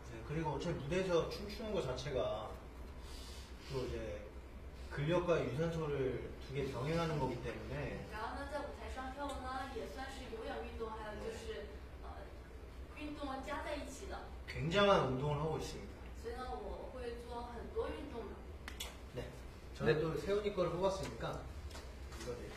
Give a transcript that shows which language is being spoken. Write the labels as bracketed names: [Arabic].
[Korean] 그리고 어차피 무대에서 춤추는 것 자체가 또 이제 근력과 유산소를 두 개 병행하는 거기 때문에. [Chinese] 然后呢在舞台上跳舞呢也算是有氧运动还有就是运动加在一起的. [Korean] 굉장한 운동을 하고 있습니다. [Chinese] 所以呢我会做很多运动的. [Korean] 저는 또 세훈이 거를 뽑았으니까 이거